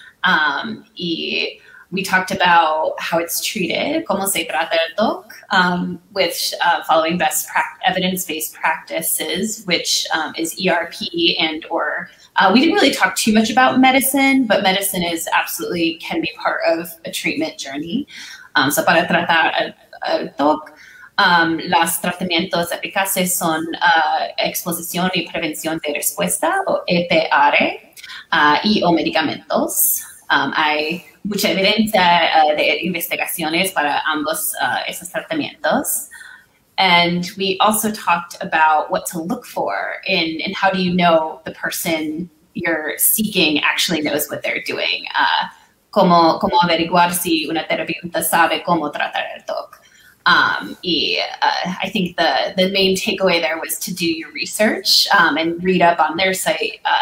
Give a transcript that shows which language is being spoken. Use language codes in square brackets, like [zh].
[en] Y we talked about how it's treated, [es] cómo se trata el TOC, [en] with following best evidence-based practices, which is ERP and or we didn't really talk too much about medicine, but medicine is absolutely can be part of a treatment journey. [es] So para tratar el TOC, los tratamientos eficaces son exposición y prevención de respuesta, o EPR, y o medicamentos. Hay mucha evidencia de investigaciones para ambos esos tratamientos. [en] And we also talked about what to look for and how do you know the person you're seeking actually knows what they're doing. [es] Cómo averiguar si una terapeuta sabe cómo tratar el TOC. [en] I think the main takeaway there was to do your research and read up on their site.